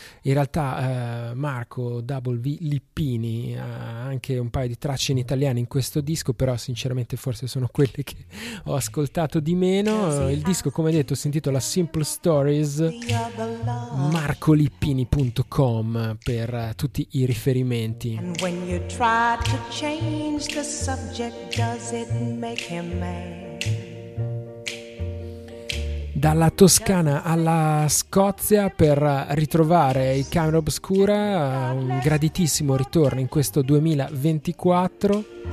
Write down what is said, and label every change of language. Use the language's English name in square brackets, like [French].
[Italian] In realtà Marco Double V Lippini ha anche un paio di tracce in italiano in questo disco, però sinceramente forse sono quelle che ho ascoltato di meno. Il disco, come detto, si intitola Simple Stories, marcolippini.com per tutti i riferimenti. [English] And when you try to change the subject, does it make him mad? [Italian] dalla Toscana alla Scozia per ritrovare i Camera Obscura, un graditissimo ritorno in questo 2024.